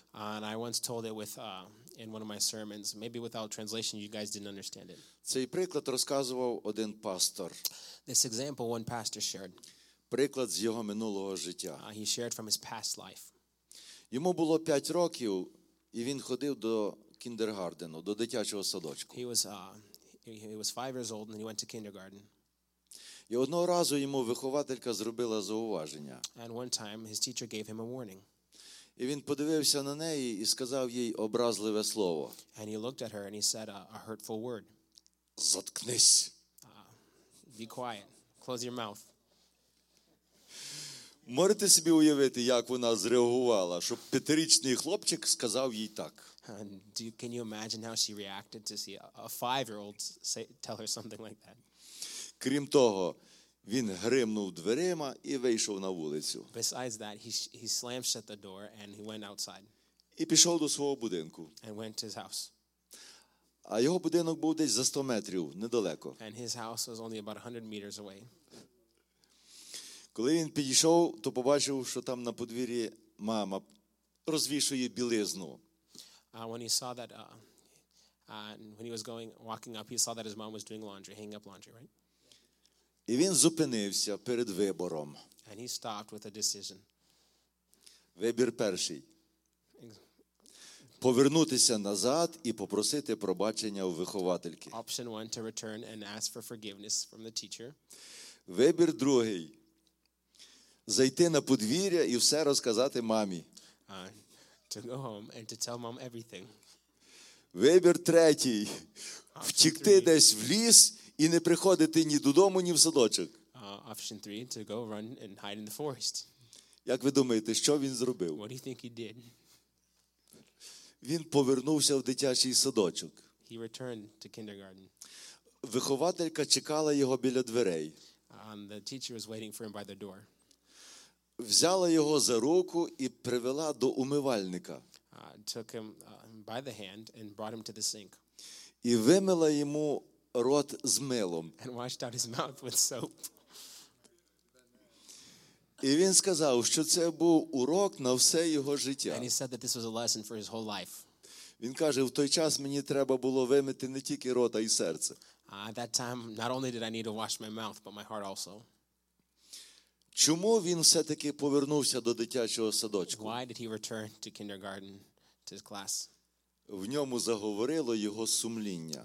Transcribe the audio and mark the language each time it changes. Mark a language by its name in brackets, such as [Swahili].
[English] And I once told it with in one of my sermons, maybe without translation you guys didn't understand it. [Ukrainian] Цей приклад розказував один пастор. [English] This example one pastor shared. [Ukrainian] Приклад з його минулого життя. [English] He shared from his past life. [Ukrainian] Йому було 5 років, і він ходив до кіндергардену, до дитячого садочку. [English] He was 5 years old and he went to kindergarten. [Ukrainian] І одного разу йому вихователька зробила зауваження. [English] And one time his teacher gave him a warning. [Ukrainian] І він подивився на неї і сказав їй образливе слово. [English] And he looked at her and he said a hurtful word. [Ukrainian] Заткнись. [English] Be quiet. Close your mouth. [Ukrainian] Можете собі уявити, як вона зреагувала, щоб 5-річний хлопчик сказав їй так? [English] Can you imagine how she reacted to see a 5-year-old tell her something like that? [Ukrainian] Крім того, він гримнув дверима і вийшов на вулицю. [English] Besides that, he slammed shut the door and he went outside. [Ukrainian] І пішов до свого будинку. [English] And went to his house. [Ukrainian] А його будинок був десь за 100 метрів, недалеко. [English] And his house was only about 100 meters away. [Ukrainian] Коли він підійшов, то побачив, що там на подвір'ї мама розвішує білизну. [English] When he saw that when he was going walking up, he saw that his mom was doing laundry, hanging up laundry, right? [Ukrainian] І він зупинився перед вибором. [English] And he stopped with a decision. [Ukrainian] Вибір перший. Повернутися назад і попросити пробачення у виховательки. [English] Option one, to return and ask for forgiveness from the teacher. [Ukrainian] Вибір другий. Зайти на подвір'я і все розказати мамі. [English] To go home and to tell mom everything. [Ukrainian] Вибір третій. Втікти десь в ліс і не приходити ні додому, ні в садочок. [English] Option three, to go run and hide in the forest. [Ukrainian] Як ви думаєте, що він зробив? [English] What do you think he did? [Ukrainian] Він повернувся в дитячий садочок. [English] He returned to kindergarten. [Ukrainian] Вихователька чекала його біля дверей. [English] And the teacher was waiting for him by the door. [Ukrainian] Взяла його за руку і привела до умивальника. [English] Took him by the hand and brought him to the sink. [Ukrainian] І вимила йому рот з милом. [English] And washed out his mouth with soap. [Ukrainian] І він сказав, що це був урок на все його життя. [English] And he said that this was a lesson for his whole life. [Ukrainian] Він каже, в той час мені треба було вимити не тільки рота, а й серце. [English] At that time, not only did I need to wash my mouth, but my heart also. [Ukrainian] Чому він все-таки повернувся до дитячого садочку? [English] Why did he return to kindergarten, to his class? [Ukrainian] В ньому заговорило його сумління.